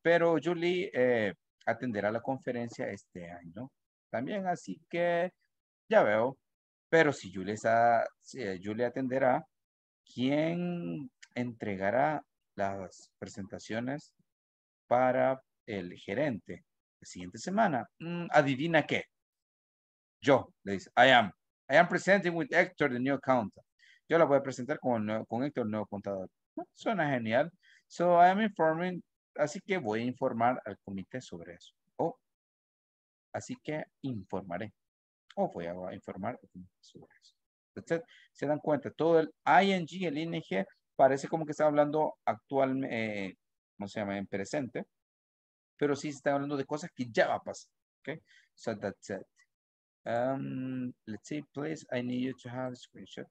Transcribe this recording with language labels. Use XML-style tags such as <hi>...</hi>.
<es>Pero Julie atenderá la conferencia este año también. Así que ya veo. Pero si Julie atenderá, ¿quién entregará las presentaciones para el gerente la siguiente semana? ¿Adivina qué? Yo, le dice,</es> <en>I am presenting with Hector, the new accountant.</en> <es>Yo la voy a presentar con Hector, el nuevo contador. Suena genial.</es> <en>So I am informing,</en> <es>así que voy a informar al comité sobre eso. Así que informaré. Voy a informar sobre eso. Entonces, se dan cuenta, todo el ING, el ING, parece como que está hablando actualmente, ¿cómo se llama? En presente. Pero sí está hablando de cosas que ya va a pasar.</es> <en>Okay? So that's it. Let's see, please, I need you to have a screenshot.</en>